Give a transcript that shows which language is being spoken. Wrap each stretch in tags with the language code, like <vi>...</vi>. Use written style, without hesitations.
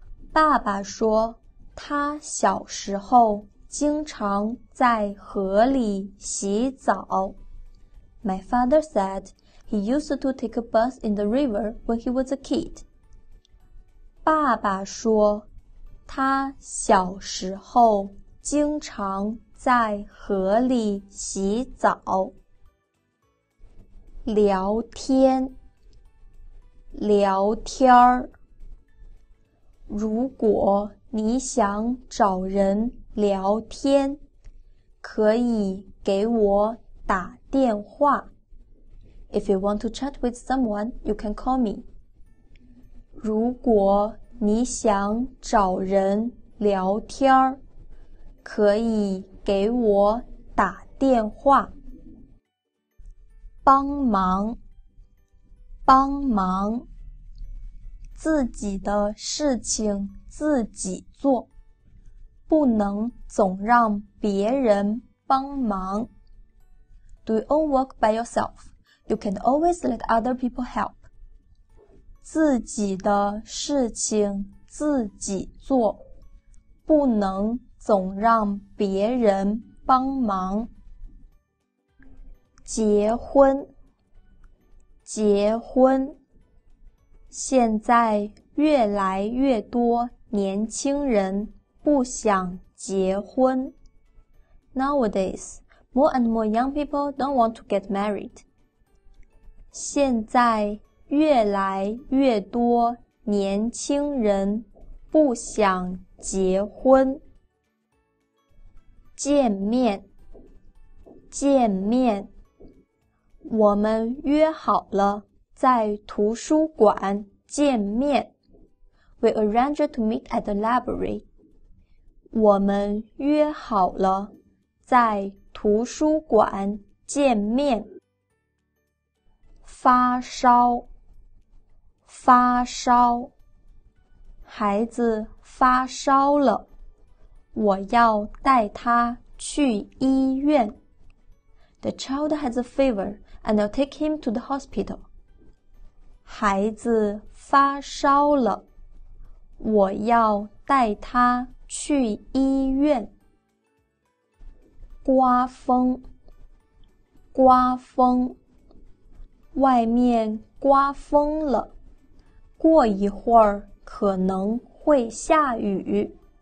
<zh>爸爸说他小时候经常在河里洗澡。</zh> <en>My father said he used to take a bath in the river when he was a kid.</en> <zh>爸爸说他小时候经常在河里洗澡。聊天，聊天。如果你想找人聊天，可以给我打电话。</zh> <en>If you want to chat with someone, you can call me.</en> <zh>如果你想找人聊天，可以给我打电话。帮忙，帮忙。自己的事情自己做，不能总让别人帮忙。</zh> <en>Do your own work by yourself. You can always let other people help.</en> <zh>自己的事情自己做，不能总让别人帮忙。结婚，结婚。现在越来越多年轻人不想结婚。</zh> <en>Nowadays, more and more young people don't want to get married.</en> <zh>现在越来越多年轻人不想结婚。见面，见面。我们约好了在图书馆见面。</zh> <en>We arranged to meet at the library.</en> <zh>我们约好了在图书馆见面。发烧，发烧。孩子发烧了，我要带他去医院。</zh> <en>The child has a fever, and I'll take him to the hospital.</en> <zh>孩子发烧了，我要带他去医院。刮风，刮风。外面刮风了，过一会儿可能会下雨。</zh>